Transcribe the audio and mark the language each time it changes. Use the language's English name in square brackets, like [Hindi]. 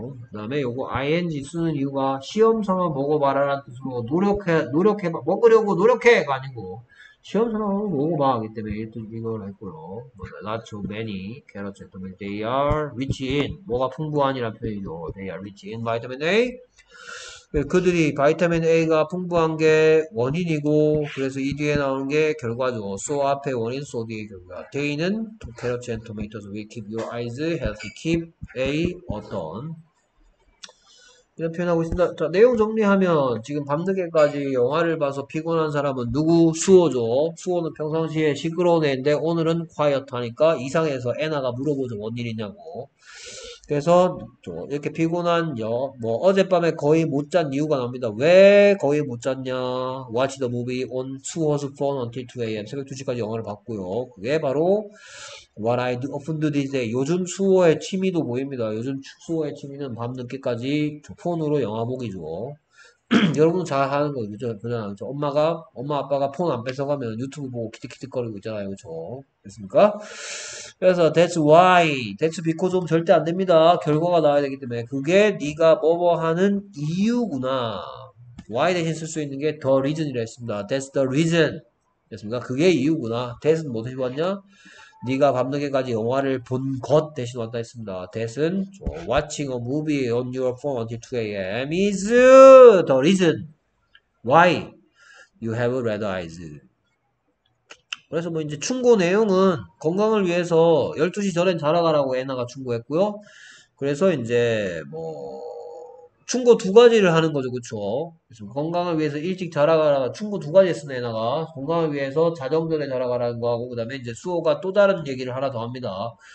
[Korean] 그다음에 요거 ing 쓰는 이유가 시험 삼아 먹어봐라라는 뜻으로 노력해 노력해봐 먹으려고 노력해가 아니고 시험 삼아 먹어봐 하기 때문에 이것도 이걸 했고요. [English] Not too many carrots at the moment. They are rich in [Korean] 뭐가 풍부한이라는 표현이죠. [English] They are rich in vitamin A. [Korean] 그들이 비타민 A가 풍부한 게 원인이고 그래서 이 뒤에 나오는 게 결과죠. So 앞에 원인, so 뒤에 결과. [English] They는 carrots and tomatoes will keep your eyes healthy. [Korean] Keep A 어떤 이런 표현하고 있습니다. 자, 내용 정리하면 지금 밤늦게까지 영화를 봐서 피곤한 사람은 누구? 수호죠. 수호는 평상시에 시끄러운 애인데 오늘은 quiet하니까 이상해서 애나가 물어보죠. 뭔 일이냐고. 그래서 이렇게 피곤한 여, 뭐 어젯밤에 거의 못잔 이유가 나옵니다. 왜 거의 못 잤냐? [English] Watch the movie on 2 hours phone until 2 a.m. [Korean] 새벽 2시까지 영화를 봤고요. 그게 바로 [English] What I do, often do these days. [Korean] 요즘 수호의 취미도 보입니다. 요즘 수호의 취미는 밤늦게까지 폰으로 영화 보기죠. 여러분 잘 하는 거 그죠? 그냥 엄마가 엄마 아빠가 폰안 뺏어가면 유튜브 보고 키틱키틱거리고 있잖아요, 그죠? 그렇습니까? 그래서 [English] that's why, that's because [Korean] 좀 절대 안 됩니다. 결과가 나와야 되기 때문에 그게 네가 뭐뭐 하는 이유구나. Why 대신 쓸수 있는 게 the reason이라 했습니다. [English] That's the reason. [Korean] 그렇습니까? 그게 이유구나. That은 뭐 대신 왔냐? 네가 밤늦게까지 영화를 본것 대신 왔다 했습니다. [English] That은 watching a movie on your phone until 2 a.m. is the reason why you have red eyes. [Korean] 그래서 뭐 이제 충고 내용은 건강을 위해서 12시 전엔 자러 가라고 애나가 충고했고요. 그래서 이제 뭐 충고 두 가지를 하는 거죠, 그쵸? 그래서 건강을 위해서 일찍 자러 가라, 충고 두 가지 쓰네, 애나가. 건강을 위해서 자정 전에 자러 가라는 거 하고, 그 다음에 이제 수호가 또 다른 얘기를 하나 더 합니다.